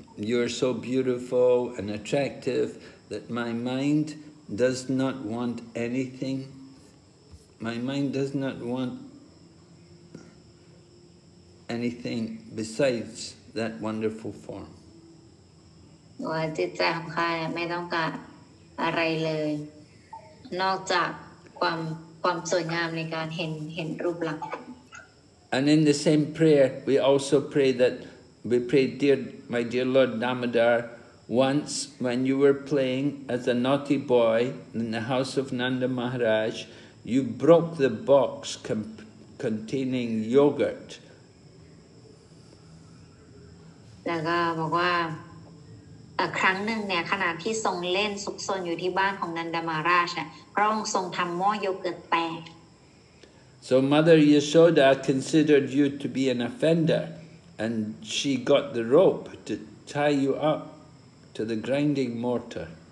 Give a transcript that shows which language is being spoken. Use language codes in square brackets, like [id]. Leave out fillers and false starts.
[en] You're so beautiful and attractive that my mind does not want anything. My mind does not want anything besides that wonderful form. [th] ว่าจิตใจของข้าไม่ต้องการอะไรเลยนอกจากความสวยงามในการเห็นรูปลักษณ์ [en] And in the same prayer we also pray that we pray dear my dear Lord Damodar once when you were playing as a naughty boy in the house of Nanda Maharaj you broke the box containing yogurt [th] แล้วก็บอกว่าครั้งหนึ่งเนี่ยขณะที่ทรงเล่นซุกซนอยู่ที่บ้านของนันดามาราชน่ะพระองค์ทรงทำหม้อโยเกิร์ตแตก [en] So Mother Yashoda considered you to be an offender and she got the rope to tie you up to the grinding mortar